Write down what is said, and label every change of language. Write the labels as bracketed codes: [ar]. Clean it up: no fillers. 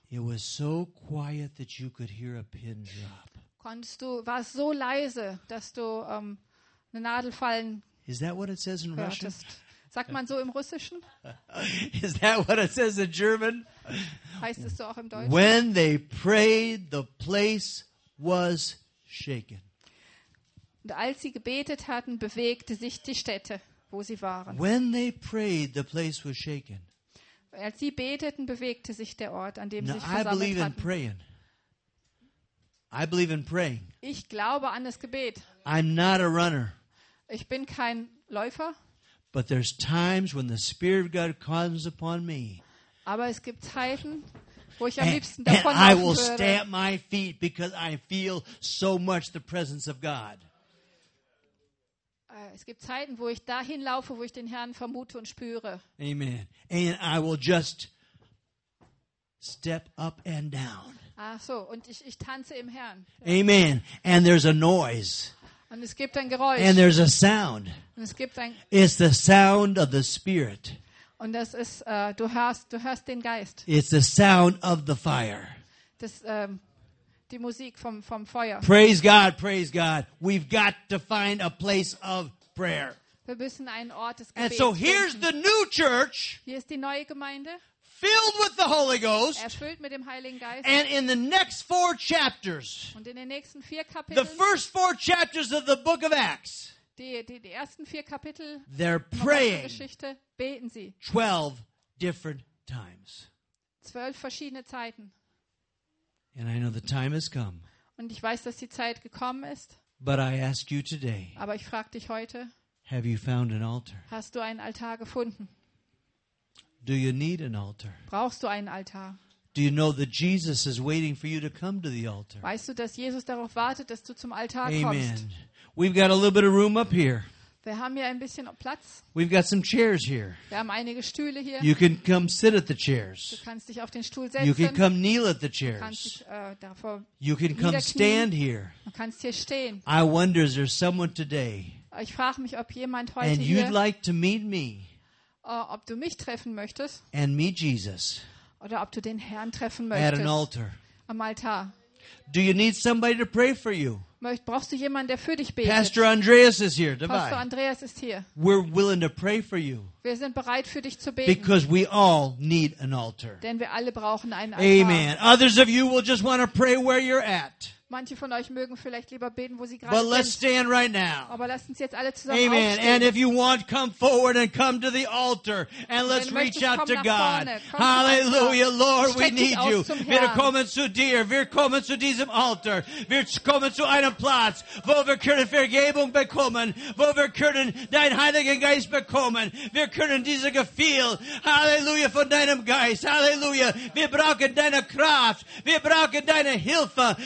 [en] it was so quiet that you could hear a pin drop. [de] Konntest du, war es so leise, dass du eine Nadel fallen hörtest. [en] Is that what it says in Russian? [de] Sagt man so im Russischen? [en] Is that what it says in German? [de] Heißt es so auch im Deutschen? [en] When they prayed, the place was shaken. [de] Und als sie gebetet hatten, bewegte sich die Stätte. Wo sie waren. [en] When they prayed, the place was shaken. [de] Als sie beteten, bewegte sich der Ort, an dem [en] Now, [de] sie sich versammelt [en] I believe [de] hatten. [en] In praying. I believe in praying. [de] Ich glaube an das Gebet. [en] I'm not a runner. [de] Ich bin kein Läufer. [en] But there's times when the Spirit of God comes upon me. [de] Aber es gibt Zeiten, wo ich am [en] and, [de] liebsten davon [en] and [de] laufen [en] I will [de] würde. [en] Stamp my feet because I feel so much the presence of God. [de] Es gibt Zeiten, wo ich dahin laufe, wo ich den Herrn vermute und spüre. [en] Amen. And I will just step up and down. [de] Ach so, und ich tanze im Herrn. [en] Amen. And there's a noise. [de] Und es gibt ein Geräusch. [en] And there's a sound. [de] Und es gibt ein [en] It's the sound of the Spirit. [de] Und das ist du hörst den Geist. [en] It's the sound of the fire. [de] Das die Musik vom Feuer. [en] Praise God, praise God. We've got to find a place of prayer. [de] Wir müssen einen Ort des Gebets [en] And so here's [de] finden. [en] The new church. [de] Hier ist die neue Gemeinde. [en] Filled with the Holy Ghost. [de] Erfüllt mit dem Heiligen Geist. [en] And in the next four chapters. [de] Und in den nächsten vier Kapiteln. [en] The first four chapters of the book of Acts. [de] Die ersten vier Kapitel. [en] They're praying. [de] Geschichte, beten sie. [en] 12 different times. [de] 12 verschiedene Zeiten. [en] And I know the time has come. [de] Und ich weiß, dass die Zeit gekommen ist. [en] But I ask you today. [de] Aber ich frag dich heute. [en] Have you found an altar? [de] Hast du einen Altar gefunden? [en] Do you need an altar? [de] Brauchst du einen Altar? [en] Do you know that Jesus is waiting for you to come to the altar? [de] Weißt du, dass Jesus darauf wartet, dass du zum Altar [en] Amen. [de] Kommst? [en] Amen. We've got a little bit of room up here. [de] Wir haben hier ein bisschen Platz. [en] We've got some chairs here. [de] Wir haben einige Stühle hier. [en] You can come sit at the chairs. [de] Du kannst dich auf den Stuhl setzen. [en] You can come kneel at the chairs. [de] Du kannst davor [en] You can come stand here. [de] Du kannst hier stehen. [en] I wonder, is there someone today? [de] Ich frage mich, ob jemand heute [en] And you'd [de] hier [en] like to meet me. [de] Ob du mich treffen möchtest. [en] And meet Jesus. [de] oder ob du den Herrn treffen möchtest. [en] At an altar. [de] Am Altar. [en] Do you need somebody to pray for you? [de] Brauchst du jemanden, der für dich betet? [en] Pastor Andreas is here. [de] Dabei. Pastor Andreas ist hier. [en] We're willing to pray for you. [de] Wir sind bereit für dich zu beten. [en] Because we all need an altar. [de] Denn wir alle brauchen einen Altar. Amen. [en] Others of you will just want to pray where you're at. [de] Manche von euch mögen vielleicht lieber beten, wo sie gerade sind. [en] But let's stand right now. [de] Aber lasst uns jetzt alle zusammen [en] Amen. [de] Aufstehen. [en] And if you want, come forward and come to the altar and let's reach out to God. Hallelujah, Lord, we need you. [de] Wir kommen zu dir. Wir kommen zu diesem Altar. Wir kommen zu einem Platz, wo wir können Vergebung bekommen, wo wir können deinen Heiligen Geist bekommen. Wir können dieses Gefühl, Hallelujah, von deinem Geist. Hallelujah. Wir brauchen deine Kraft. Wir brauchen deine Hilfe.